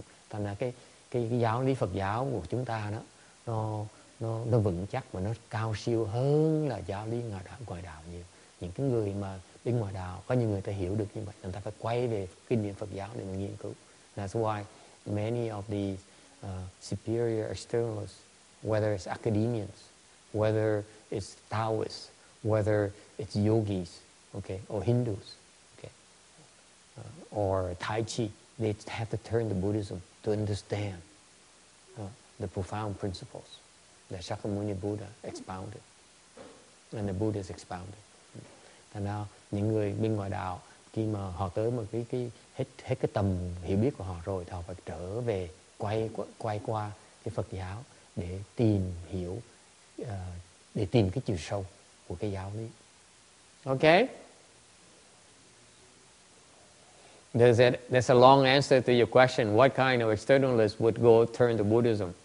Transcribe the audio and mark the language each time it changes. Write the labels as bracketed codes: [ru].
[vi] Thành ra cái giáo lý Phật giáo của chúng ta đó nó vững chắc và nó cao siêu hơn là giáo lý ngoài đạo nhiều. Những cái người mà bên ngoài đạo, có những người ta hiểu được như vậy, người ta phải quay về kinh điển Phật giáo để mà nghiên cứu. [en] That's why many of the superior externalists, whether it's academians, whether it's Taoists, whether it's yogis, okay, or Hindus, okay, or Tai Chi, they have to turn to Buddhism to understand the profound principles that Shakyamuni Buddha expounded and the Buddhists expounded. [vi] Thành ra những người bên ngoài đạo, khi mà họ tới một cái hết cái tầm hiểu biết của họ rồi, thì họ phải trở về quay qua cái Phật giáo để tìm hiểu, để tìm cái chiều sâu của cái giáo lý. [en] Ok, that's a long answer to your question, what kind of externalist would go turn to Buddhism.